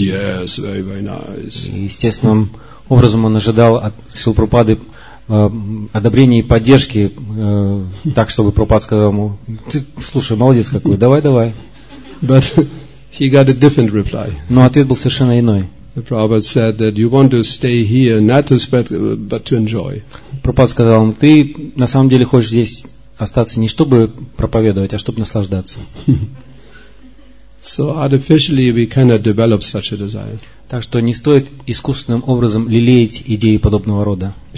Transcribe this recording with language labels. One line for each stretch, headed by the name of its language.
English: Yes, very, very nice.
Russian: И естественным образом он ожидал от Шрилы Прабхупады одобрения и поддержки, так чтобы Прабхупада сказал ему: ты, слушай, молодец какой, давай, давай.
English: But he got a different reply.
Russian: Но ответ был совершенно иной.
English: The Prabhupada said that you want to stay here not to spread, but to enjoy.
Russian: Прабхупада сказал ему: ты на самом деле хочешь здесь остаться не чтобы проповедовать, а чтобы наслаждаться.
English: So artificially we cannot develop such a desire.
Russian: Так что не стоит искусственным образом лелеять идеи подобного рода.